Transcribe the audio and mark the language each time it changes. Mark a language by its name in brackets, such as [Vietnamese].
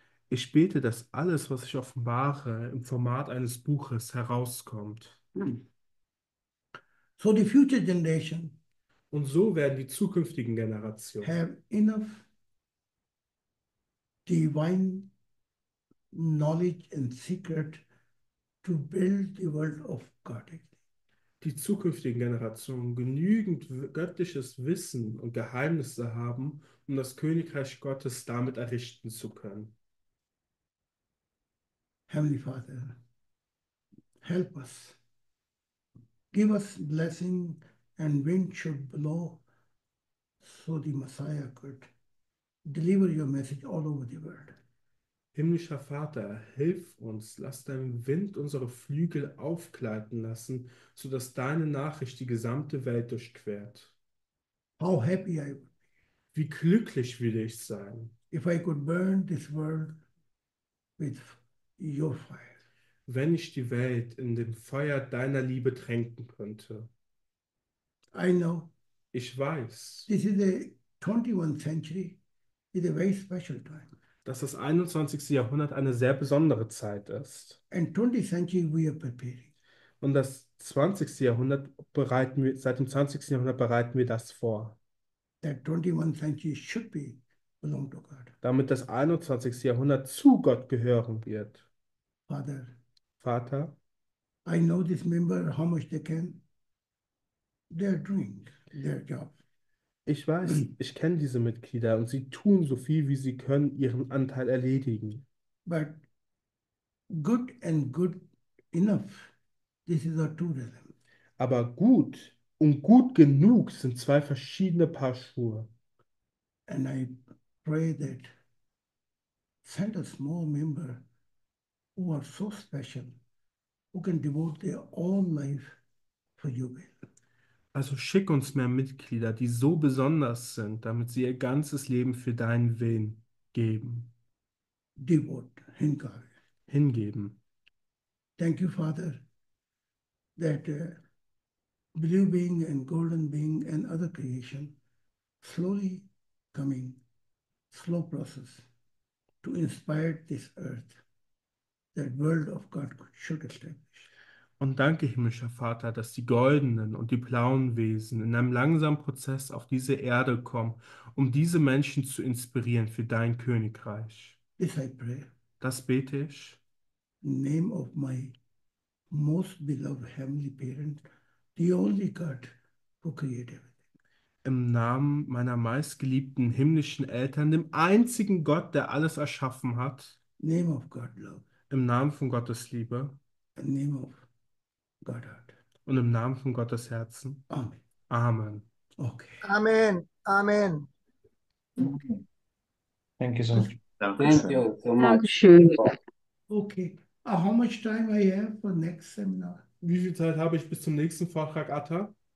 [German] Ich bete, dass alles, was ich offenbare, im Format eines Buches herauskommt. [English] So the future generation [German] Und so werden die zukünftigen Generationen [English] have enough divine knowledge and secret to build the world of God. [German] die zukünftigen Generationen genügend göttliches Wissen und Geheimnisse haben, um das Königreich Gottes damit errichten zu können. [English] Heavenly Father, help us. Give us blessing and wind should blow so the Messiah could deliver your message all over the world. [German] Himmlischer Vater, hilf uns, lass deinen Wind unsere Flügel aufgleiten lassen, sodass deine Nachricht die gesamte Welt durchquert. [English] How happy I would [German] Wie glücklich würde ich sein, [English] be if I could burn this world with your fire. [German] wenn ich die Welt in dem Feuer deiner Liebe tränken könnte. [English] I know [German] Ich weiß, [English] this is a 21st century, is a very special time. [German] dass das 21. Jahrhundert eine sehr besondere Zeit ist. [English] And 20th century we are preparing. [German] Und das 20. Jahrhundert bereiten wir, seit dem 20. Jahrhundert bereiten wir das vor. [English] That 21st century should be belong to God. [German] Damit das 21. Jahrhundert zu Gott gehören wird. [English] Father, [German] Vater, [English] I know this member, how much they can. They're doing their job. [German] ich weiß, ich kenne diese Mitglieder und sie tun so viel, wie sie können, ihren Anteil erledigen. [English] But good and good enough, this is our two realm. [German] Aber gut und gut genug sind zwei verschiedene Paar Schuhe. [English] And I pray that send a small member who are so special, who can devote their own life for your will. [German] Also schick uns mehr Mitglieder, die so besonders sind, damit sie ihr ganzes Leben für deinen Willen geben. [English] Devote, Hingabe. [German] Hingeben. [English] Thank you, Father, that blue being and golden being and other creation slowly coming slow process to inspire this earth, that world of God should establish. [German] Und danke, himmlischer Vater, dass die goldenen und die blauen Wesen in einem langsamen Prozess auf diese Erde kommen, um diese Menschen zu inspirieren für dein Königreich. [English] This I pray. [German] Das bete ich. [English] In name of my most beloved heavenly parent, the only God who created everything. [German] Im Namen meiner meistgeliebten himmlischen Eltern, dem einzigen Gott, der alles erschaffen hat. [English] Name of God love. [German] Im Namen von Gottes Liebe. [English] In name of God heart. [German] Und im Namen von Gottes Herzen. Amen. Amen. Okay. Amen. Amen. [English] Okay. Thank you so much. [German] Dankeschön. [English] Okay. How much time I have for next seminar? [German] Wie viel Zeit habe ich bis zum nächsten Vortrag, Atta?